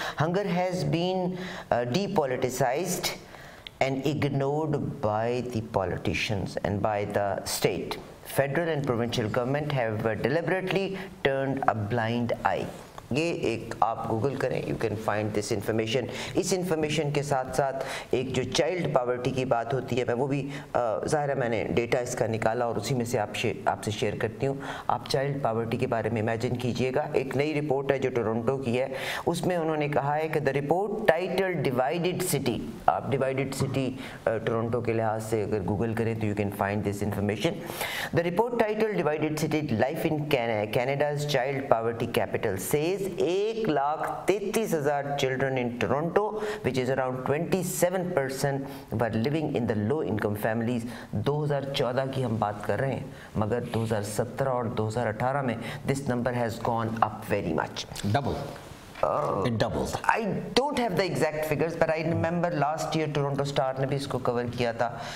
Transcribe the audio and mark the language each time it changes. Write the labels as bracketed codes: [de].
[en] Hunger has been depoliticized and ignored by the politicians and by the state. Federal and provincial government have deliberately turned a blind eye. [ur] یہ ایک آپ Google کریں [en] you can find this information [ur] اس information کے ساتھ ساتھ ایک جو child poverty کی بات ہوتی ہے میں وہ بھی ظاہر ہے میں نے ڈیٹا اس کا نکالا اور اسی میں سے آپ سے شیئر کرتی ہوں آپ چائلڈ پاورٹی کے بارے میں امیجن کیجئے گا ایک نئی رپورٹ ہے جو ٹورنٹو کی ہے اس میں انہوں نے کہا ہے کہ [en] the report title divided city [ur] آپ ڈیوائڈڈ سٹی ٹورنٹو کے لحاظ سے اگر گوگل کریں تو [en] You can find this information the report title divided city life in Canada's child poverty capital سے 133,000 children in Toronto, which is around 27%, were living in the low-income families. [ur] 2014 ki hum baat kar rahe hain, magar 2017 aur 2018 mein [en] this number has gone up very much. Double. It doubled. I don't have the exact figures, but I remember last year Toronto Star [ur] ne bhi isko cover kiya tha.